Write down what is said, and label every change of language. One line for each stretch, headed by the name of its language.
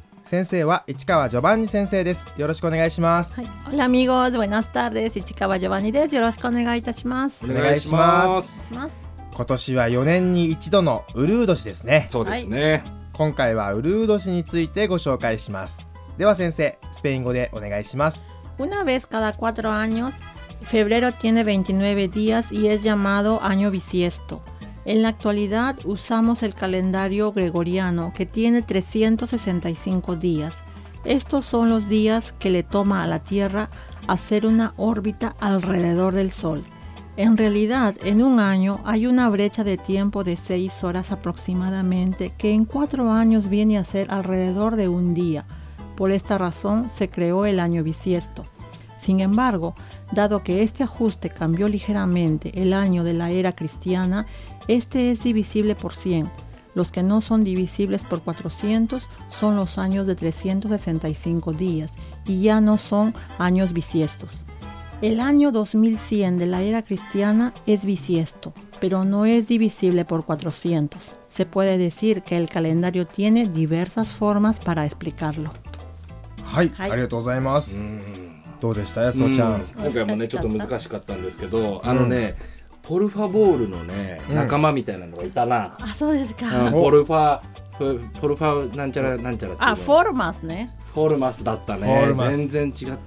Japanese: 先生は市川ジョバンニ先生です。よろしくお願いします。
Spanish: オラミゴーズ、ボイナスタール
Japanese: です。市川ジョバンニです。よろしくお願いいたします。お願いします。今年は4年に一度のウルード市ですね。そうですね、はい、今回はウルード市についてご紹介します。では先生、スペイン語でお願いします。
Spanish: Una vez cada cuatro años, febrero tiene 29 días y es llamado año bisiesto. En la actualidad usamos el calendario gregoriano que tiene 365 días. Estos son los días que le toma a la Tierra hacer una órbita alrededor del Sol. En realidad, en un año hay una brecha de tiempo de 6 horas aproximadamente, que en 4 años viene a ser alrededor de un día. Por esta razón se creó el año bisiesto. Sin embargo, dado que este ajuste cambió ligeramente el año de la era cristiana, este es divisible por 100. Los que no son divisibles por 400 son los años de 365 días y ya no son años bisiestos. El año 2100 de la era cristiana es bisiesto, pero no es divisible por 400. Se puede decir que el calendario tiene diversas formas para explicarlo.
Japanese: はい、はい、ありがとうございます。うん、どうでした安野ちゃん。今回もねちょっと難しかったんですけど、あのね、うん、ポルファボールのね、うん、仲間みたいなのがいたな。あ、そうですか。ポルファなんちゃらなんちゃらっていう。あ、フォルマスね。フォルマスだったね。全然違ったな。